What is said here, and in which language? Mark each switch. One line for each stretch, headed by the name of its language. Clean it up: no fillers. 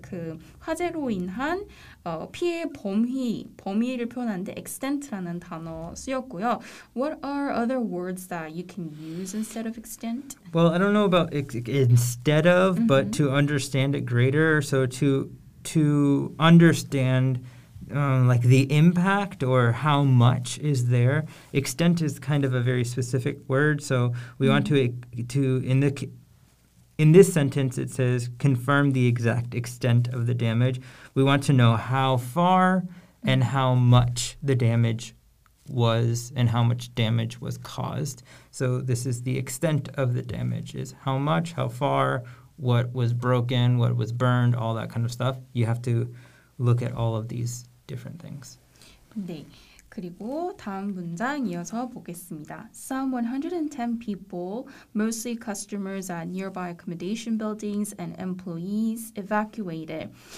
Korean: 그 화재로 인한 피해 범위를 표현하는데 extent라는 단어 쓰였고요.
English: What are other words that you can use instead of extent? Well, I don't know about instead of, but to understand it greater. So to understand like the impact or how much is there. Extent is kind of a very specific word. So we want to in this sentence, it says confirm the exact extent of the damage. We want to know how far and how much the damage was and how much damage was caused. So this is the extent of the damage is how much, how far, what was broken, what was burned, all that kind of stuff. You have to look at all of these different things.
Korean: 네. 그리고 다음 문장 이어서 보겠습니다.
English: Some 110 people, mostly customers at nearby accommodation buildings and employees evacuated.